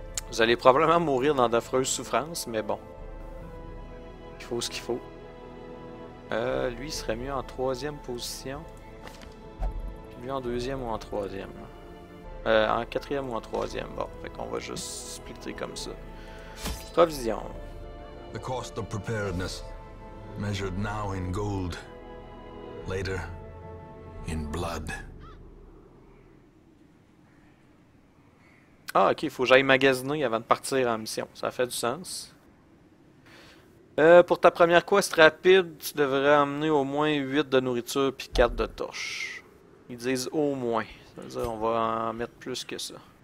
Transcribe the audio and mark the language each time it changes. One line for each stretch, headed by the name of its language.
French: Vous allez probablement mourir dans d'affreuses souffrances, mais bon. Il faut ce qu'il faut. Lui serait mieux en troisième position. Puis lui en deuxième ou en troisième. En quatrième ou en troisième. Bon, fait qu'on va juste splitter comme ça.
English: Provision. The cost of preparedness, measured now in gold, later in blood.
French: Ah, ok, faut que j'aille magasiner avant de partir en mission. Ça fait du sens. Pour ta première quest rapide, tu devrais amener au moins 8 de nourriture puis 4 de torches. Ils disent au moins. Ça veut dire on va en mettre plus que ça.